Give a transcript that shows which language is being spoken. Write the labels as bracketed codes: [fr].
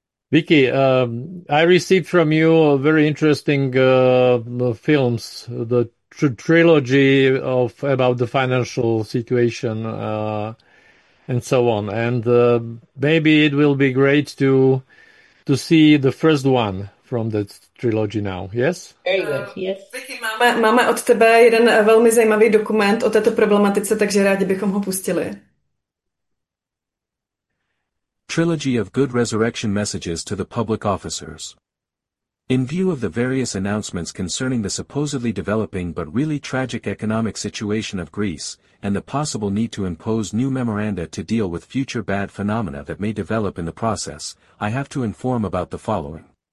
[en] Vicky, I received from you very interesting films, the tr trilogy of about the financial situation and so on. And maybe it will be great to see the first one from that trilogy now. Yes? Very good, yes. [cs] Vicky, máme od tebe jeden velmi zajímavý dokument o této problematice, takže rádi bychom ho pustili. [en] Trilogy of Good Resurrection Messages to the Public Officers. In view of the various announcements concerning the supposedly developing but really tragic economic situation of Greece, and the possible need to impose new memoranda to deal with future bad phenomena that may develop in the process, I have to inform about the following.